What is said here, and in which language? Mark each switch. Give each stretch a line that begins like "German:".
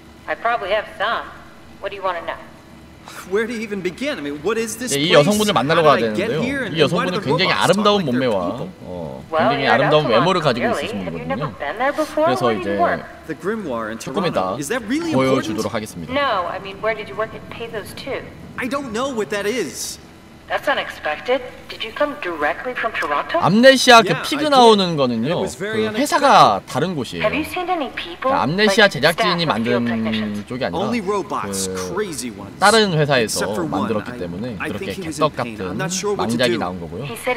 English: I probably have some. What do you want to know? Where to even begin? I mean, what is this?
Korean: 이 여성분을 만나러 가야 되는데요. 이 여성분은 굉장히 아름다운 몸매와 굉장히 아름다운 외모를 가지고 있으신 분이거든요. 그래서 이제 조금 이따 보여주도록 하겠습니다.
English: No, I mean, where did you work at Pathos 2? I don't know what that is. That's unexpected. Did you come directly from Toronto?
Korean: 암네시아 그 피그 나오는 거는요. 그 회사가 다른 곳이에요.
English: Have you seen any people?
Korean: 암네시아 제작진이 만든 쪽이 아니라
English: Only robots, crazy ones.
Korean: 다른 회사에서 만들었기 때문에 그렇게 개떡 같은 망작이 나온 거고요.